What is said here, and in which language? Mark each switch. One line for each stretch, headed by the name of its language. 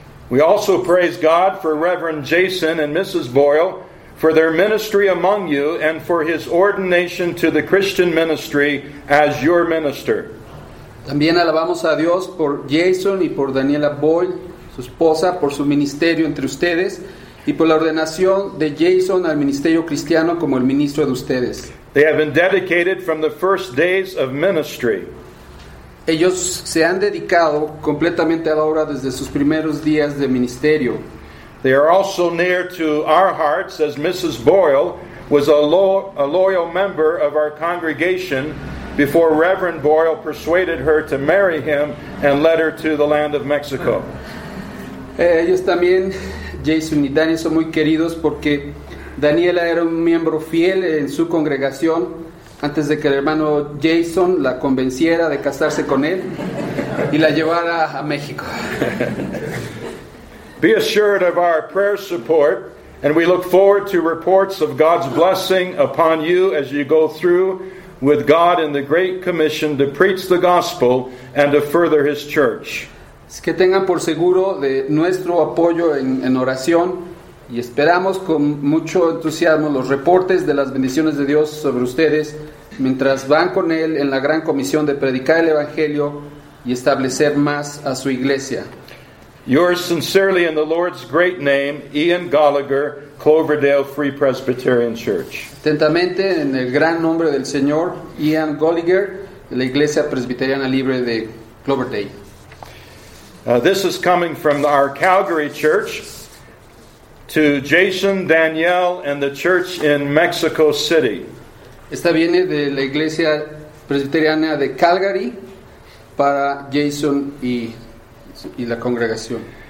English: We also praise God for Reverend Jason and Mrs. Boyle for their ministry among you and for his ordination to the Christian ministry as your minister.
Spanish: También alabamos a Dios por Jason y por Daniela Boyle, su esposa, por su ministerio entre ustedes y por la ordenación de Jason al ministerio cristiano como el ministro de ustedes.
English: They have been dedicated from the first days of ministry.
Spanish: Ellos se han dedicado completamente a la obra desde sus primeros días de ministerio.
English: They are also near to our hearts as Mrs. Boyle was a loyal member of our congregation before Reverend Boyle persuaded her to marry him and led her to the land of Mexico.
Spanish: Ellos también, Jason y Daniel, son muy queridos porque Daniela era un miembro fiel en su congregación antes de que el hermano Jason la convenciera de casarse con él y la llevara a México.
English: Be assured of our prayer support, and we look forward to reports of God's blessing upon you as you go through with God in the Great Commission to preach the gospel and to further His church.
Spanish: Es que tengan por seguro de nuestro apoyo en oración, y esperamos con mucho entusiasmo los reportes de las bendiciones de Dios sobre ustedes mientras van con Él en la gran comisión de predicar el Evangelio y establecer más a su iglesia.
English: Yours sincerely in the Lord's great name, Ian Gallagher, Cloverdale Free Presbyterian Church.
Spanish: Atentamente en el gran nombre del Señor, Ian Gallagher, de la Iglesia Presbiteriana Libre de Cloverdale.
English: This is coming from our Calgary church to Jason, Danielle, and the church in Mexico City.
Spanish: Esta viene de la Iglesia Presbiteriana de Calgary para Jason y la congregación.